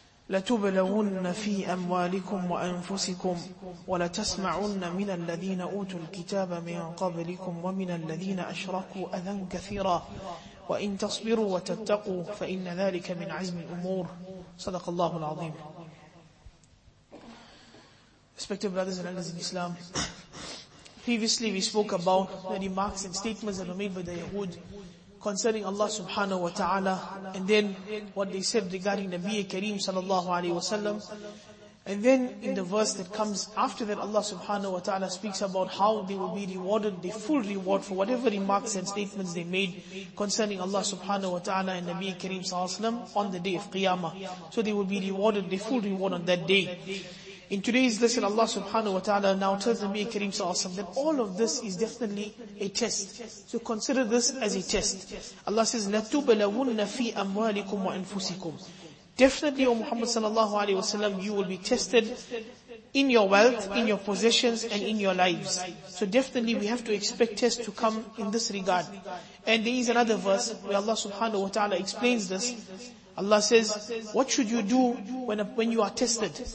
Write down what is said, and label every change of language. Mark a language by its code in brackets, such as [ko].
[ar] لتبلون في أموالكم وأنفسكم ولتسمعن من الذين أوتوا الكتاب من قبلكم ومن الذين أشركوا أذى كثيرا وإن تصبروا وتتقوا فإن ذلك من عزم الأمور صدق الله العظيم. [en] Respected brothers and elders in Islam, previously we spoke about the remarks and statements that were made by the Yahud concerning Allah subhanahu wa ta'ala, and then what they said regarding Nabiya Kareem sallallahu alayhi wa sallam. And then in the verse that comes after that, Allah subhanahu wa ta'ala speaks about how they will be rewarded, the full reward for whatever remarks and statements they made concerning Allah subhanahu wa ta'ala and Nabi Kareem sallallahu alayhi wa sallam on the day of Qiyamah. So they will be rewarded, the full reward on that day. In today's lesson, Allah subhanahu wa ta'ala now tells Nabi Kareem sallallahu alayhi wa sallam that all of this is definitely a test. So consider this as a test. Allah says, [ar] لَتُبَلَوُنَّ فِي أَمْوَالِكُمْ وَأَنفُسِكُمْ. [en] Definitely, O Muhammad sallallahu alayhi wa sallam, you will be tested in your wealth, in your possessions, and in your lives. So definitely we have to expect tests to come in this regard. And there is another verse where Allah subhanahu wa ta'ala explains this. Allah says, what should you do when you are tested?